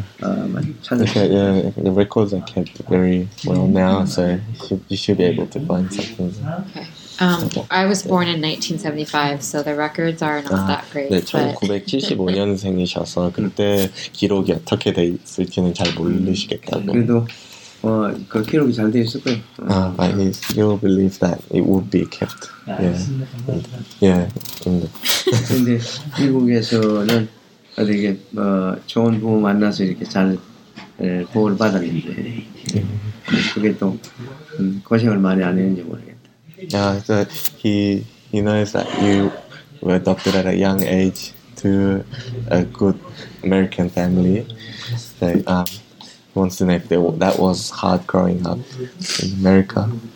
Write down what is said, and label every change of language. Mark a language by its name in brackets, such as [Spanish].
[English] The records are kept very well now, so you should be able to find something. Okay. I was born in 1975, so the records are not that great. [Korean] 네, 1975년생이셔서 그때 기록이 어떻게 돼 있을지는 잘 모르시겠다고. 그 기록이 잘 되어 있을 거예요. [English] But you believe that it would be kept. Yeah. Yeah. [Korean] 근데 미국에서는 어떻게 좋은 부모 만나서 이렇게 잘 보호를 받았는데 그게 또 고생을 많이 안 했는지 모르겠다. [English] Yeah, so he knows that you were adopted at a young age to a good American family. So, wants to know if that was hard growing up in America.